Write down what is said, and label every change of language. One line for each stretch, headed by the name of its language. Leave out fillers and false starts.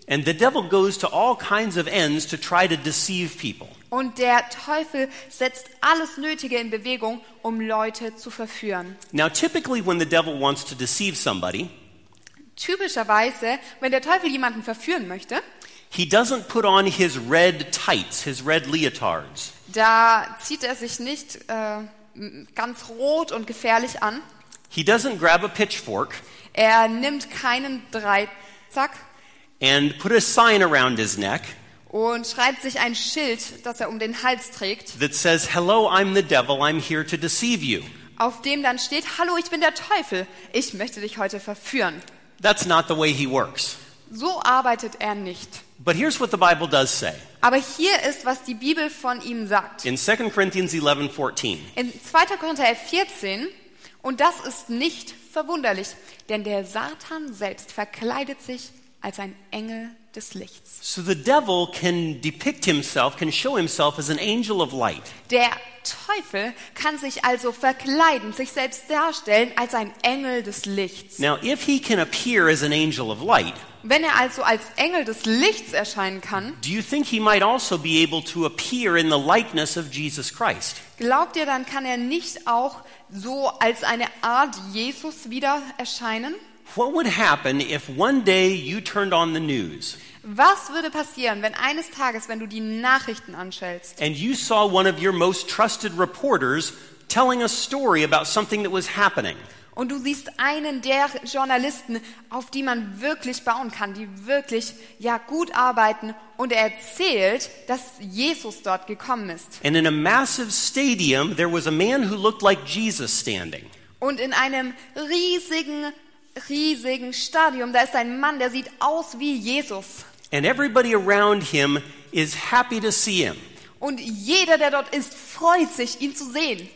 English: And the devil goes to all kinds of ends to try to deceive people.
German: Und der Teufel setzt alles Nötige in Bewegung, um Leute zu verführen.
English: Now typically when the devil wants to deceive somebody,
German: typischerweise, wenn der Teufel jemanden verführen möchte,
English: he doesn't put on his red tights, his red leotards.
German: Da zieht er sich nicht ganz rot und gefährlich an.
English: He doesn't grab a pitchfork.
German: Er nimmt keinen Dreizack.
English: And put a sign around his neck.
German: Und schreibt sich ein Schild, das er um den Hals trägt.
English: That says, "Hello, I'm the devil. I'm here to deceive you."
German: Auf dem dann steht: "Hallo, ich bin der Teufel. Ich möchte dich heute verführen."
English: That's not the way he works.
German: So arbeitet er nicht.
English: But here's what the Bible does say.
German: Aber hier ist, was die Bibel von ihm sagt.
English: In 2 Corinthians 11:14.
German: In 2. Korinther 11:14. Und das ist nicht verwunderlich, denn der Satan selbst verkleidet sich als ein Engel des Lichts.
English: So the devil can depict himself, can show himself as an angel of light.
German: Der Teufel kann sich also verkleiden, sich selbst darstellen als ein Engel des Lichts.
English: Now if he can appear as an angel of light,
German: wenn er also als Engel des Lichts erscheinen kann,
English: do you think he might also be able to appear in the likeness of Jesus Christ?
German: Glaubt ihr, dann kann er nicht auch so als eine Art Jesus wieder erscheinen?
English: What would happen if one day you turned on the news?
German: Was würde passieren, wenn eines Tages, wenn du die Nachrichten anschaltest,
English: and you saw one of your most trusted reporters telling a story about something that was happening?
German: Und du siehst einen der Journalisten, auf die man wirklich bauen kann, die wirklich ja gut arbeiten, und er erzählt, dass Jesus dort gekommen ist.
English: And in a massive stadium there was a man who looked like Jesus standing.
German: Und in einem riesigen Stadion, da ist ein Mann, der sieht aus wie Jesus.
English: And everybody around him is happy to see him.
German: Und jeder, der dort ist, freut sich, ihn zu sehen.